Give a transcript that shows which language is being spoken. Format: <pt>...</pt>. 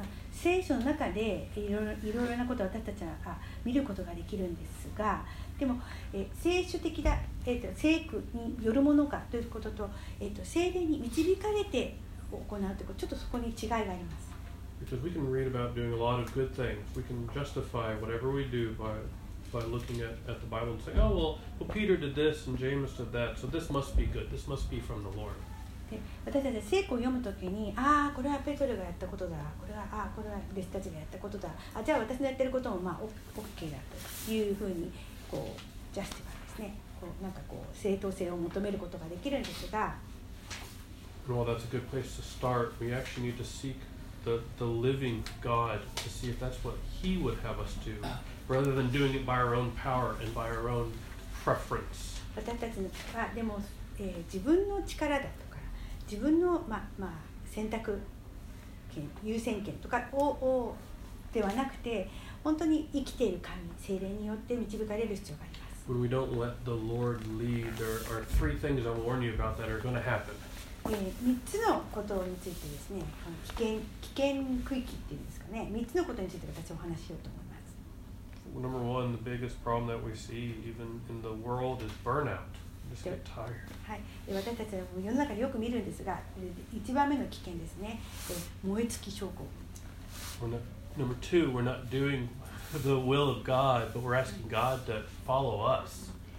<ja>聖書の中でいろいろなことを私たちは見ることができるんですが、でも聖書的な、聖句によるものかということと、聖霊に導かれて行うということ、ちょっとそこに違いがあります。</ja> <en>Because we can read about doing a lot of good things, we can justify whatever we do by looking at the Bible and saying, oh well, Peter did this and James did that, so this must be good, this must be from the Lord.</en> <ja>で私たち聖句を読むときに、ああこれはペトロがやったことだ、これは弟子たちがやったことだ、あじゃあ私のやってることもまあ OK だというふうにこうジャスティファーですね、こうなんかこう正当性を求めることができるんですが、</ja> <en>well that's a good place to start. We actually need to seek the living God to see if that's what He would have us do, rather than doing it by our own power and by our own preference.</en> <ja>私たちはでも、自分の力だと。自分の、まあ、選択権優先権とか をではなくて本当に生きている神聖霊によって導かれる必要があります。</ja> <en>When we don't let the Lord lead, there are three things I'll warn you about that are going to happen.</en> <ja>3つのことについてですね、危険区域っていうんですかね、3つのことについて私はお話しようと思います。</ja> <en>Number one, the biggest problem that we see even in the world is burnout.</en> <ja>はい、私たちは世の中でよく見るんですが、一番目の危険ですね、燃え尽き症候群。</ja> <en>Number two, we're not doing the will of God, but we're asking God to follow us.</en>